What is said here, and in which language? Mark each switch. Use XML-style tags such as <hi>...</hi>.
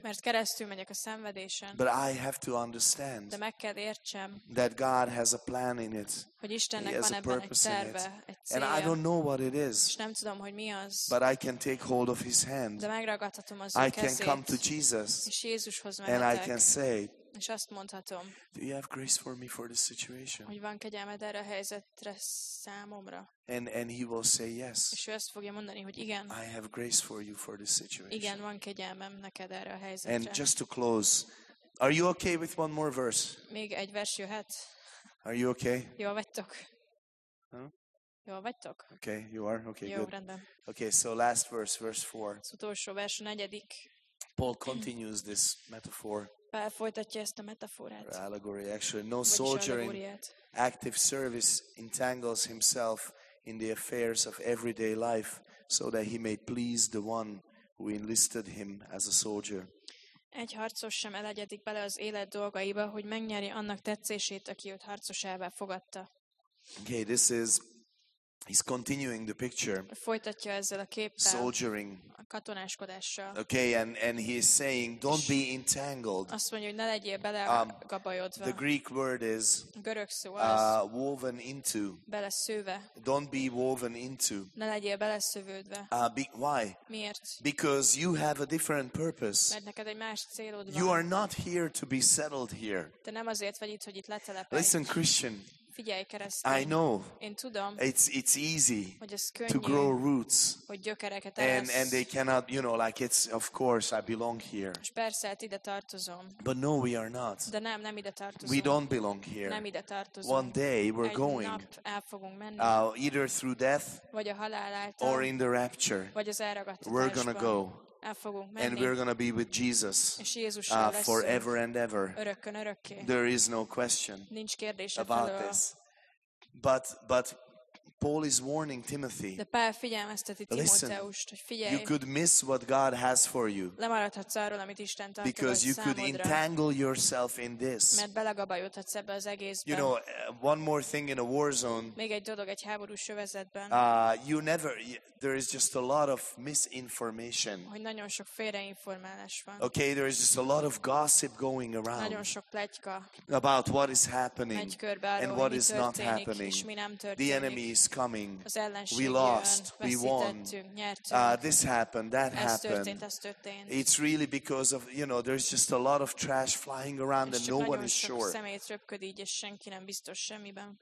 <hu>Mert keresztül megyek a szenvedésen.</hu> <en>But I have to understand.</en> <hu>De meg kell értsem.</hu> <en>That God has a plan in it.</en> <hu>Hogy Istennek van ebben purpose egy terve, egy célja.</hu> <en>And I don't know what it is.</en> <hu>És nem tudom, hogy mi az.</hu> <en>But I can take hold of His hand.</en> <hu>De megragadhatom az ő kezét.</hu> <en>I can come to Jesus.</en> <hu>És Jézushoz mehetek.</hu> <en>And I can say.</en> <hu>És azt mondhatom.</hu> <en>Do you have grace for me for this situation?</en> <hu>Hogy van kegyelmed erre a helyzetre számomra?</hu> <en>And he will say yes.</en> <hu>És ő azt fogja mondani, hogy igen.</hu> <en>I have grace for you for this situation.</en> <hu>Igen, van kegyelmem neked erre a helyzetre.</hu> <en>And just to close, are you okay with one more verse?</en> <hu>Még egy vers jöhet.</hu> <en>Are you okay?</en> <hu>Jó vagytok. Huh? Jó vagytok.</hu> <en>Okay, you are. Okay,</en> <hu>jó,</hu> <en>good.</en> <hu>Rendben.</hu> <en>Okay, so last verse, verse 4.</en> <hu>Az utolsó vers, negyedik.</hu> <en>Paul continues this metaphor.</en> <hu>Befolytatja ezt a metaforát.</hu> <en>Or allegory, actually. No soldier in active service entangles himself in the affairs of everyday life so that he may please the one who enlisted him as a soldier.</en> <hu>Egy harcos sem elegyedik bele az élet dolgaiba, hogy megnyeri annak tetszését, aki őt harcosává fogadta.</hu> <en>Okay, this is, he's continuing the picture.</en> <hu>Befolytatja ezzel a képpel.</hu> <en>Soldiering.</en> <hu>Katonáskodással.</hu> <en>Okay, and he is saying, don't be entangled.</en> <hu>Azt mondja, hogy ne legyél belegabajodva.</hu> <en>The Greek word is</en> <hu>görög szó az,</hu> <en>woven into.</en> <hu>Beleszőve.</hu> <en>Don't be woven into.</en> <hu>Ne legyél beleszövődve.</hu> <en>Why?</en> <hu>Miért?</hu> <en>Because you have a different purpose.</en> <hu>Mert neked egy más célod van.</hu> <en>You are not here to be settled here.</en> <hu>Te nem azért vagy itt, hogy itt letelepedj.</hu> <en>Listen, Christian.</en> <hu>Figyelj, keresztény.</hu> <en>I know.</en> <hu>Én tudom.</hu> <en>It's easy.</en> <hu>Hogy ez könnyű,</hu> <en>to grow roots.</en> <hu>Hogy gyökereket eresz.</hu> <en>And they cannot, you know, like it's of course I belong here.</en> <hu>És persze, hát ide tartozom.</hu> <en>But no, we are not.</en> <hu>De nem ide tartozom.</hu> <en>We don't belong here.</en> <hu>Nem ide tartozom.</hu> <en>One day we're going.</en> <hu>Egy nap el fogunk menni.</hu> <en>Either through death.</en> <hu>Vagy a halál által.</hu> <en>Or in the rapture.</en> <hu>Vagy az elragadtatásban.</hu> <en>We're gonna go.</en> <hu>El fogunk menni.</hu> <en>And we're gonna be with Jesus forever and ever.</en> <hu>Örökkön, örökké.</hu> <en>There is no question.</en> <hu>Nincs kérdés</hu> <en>about</en> <hu>felől.</hu> <en>This. But Paul is warning Timothy.</en> <hu>De Pál figyelmezteti Timóteust.</hu> <en>Listen,</en> <hu>hogy figyelj.</hu> <en>You could miss what God has for you.</en> <hu>Lemaradhatsz arról, amit Isten tartogat számodra.</hu> <en>Because you could entangle yourself in this.</en> <hu>Mert belegabajodhatsz ebbe az egészbe.</hu> <en>You know, one more thing in a war zone.</en> <hu>Még egy dolog egy háborús övezetben.</hu> <en>You never. There is just a lot of misinformation.</en> <hu>Hogy nagyon sok félreinformálás van.</hu> <en>Okay, there is just a lot of gossip going around.</en> <hu>Nagyon sok pletyka.</hu> <en>About what is happening</en> <hu>arról,</hu> <en>and what is not happening.</en> <hu>És mi nem történik.</hu> <en>The enemy is coming.</en> <hu>Az ellenség</hu> <en>we lost.</en> <hu>Jön,</hu> <en>we won. This happened. That</en> <hu>ez</hu> <en>happened.</en> <hu>Történt.</hu> <en>It's really because of, you know, there's just a lot of trash flying around</en> <hu>és</hu> <en>and no one is sure.</en> <hu>Röpködik, és senki nem biztos semmiben.</hu>